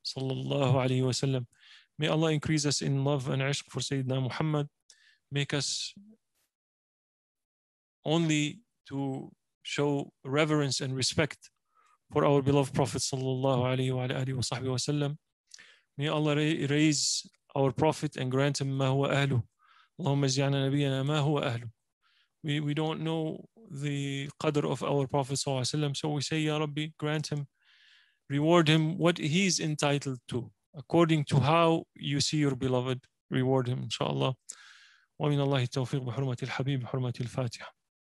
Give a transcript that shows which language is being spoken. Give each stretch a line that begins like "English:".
English: Sallallahu alayhi wasallam. May Allah increase us in love and ishq for Sayyidina Muhammad. Make us only to show reverence and respect for our beloved Prophet sallallahu alayhi wa sahbihi wa sallam. May Allah raise our Prophet and grant him ma huwa ahlu.
Arabic: اللهم اجعلنا نبينا ما هو أهله.
English: We don't know the qadr of our Prophet صلى الله عليه وسلم. So we say, Ya Rabbi, grant him, reward him what he's entitled to, according to how you see your beloved. Reward him, inshallah.
Arabic: وَمِنَ اللَّهِ التَّوْفِيقُ بِحُرْمَةِ الْحَبِيبِ بِحُرْمَةِ الْفَاتِحَةِ